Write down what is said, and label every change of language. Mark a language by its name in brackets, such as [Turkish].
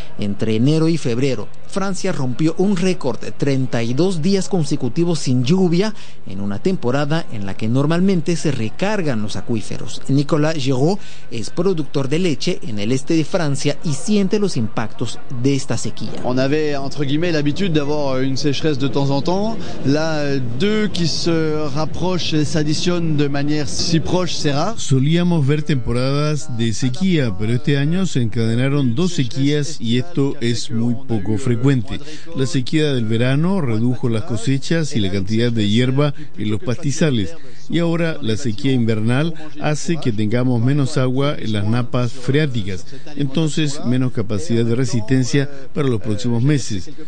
[Spanish] Entre enero y febrero, Francia rompió un récord de 32 días consecutivos sin lluvia en una temporada en la que normalmente se recargan los acuíferos. Nicolas Giraud es productor de leche en el este de Francia y siente los impactos de esta sequía. [French] On avait entre guillemets l'habitude d'avoir une sécheresse de temps en temps. Là, deux qui se rapprochent et s'additionnent de manière si proche, c'est rare. [Spanish] Solíamos ver temporadas de sequía, pero este año se encadenaron dos sequías y esto es muy poco frecuente. La sequía del verano redujo las cosechas y la cantidad de hierba en los pastizales. Y ahora la sequía invernal hace que tengamos menos agua en las napas freáticas, entonces menos capacidad de resistencia para los próximos meses.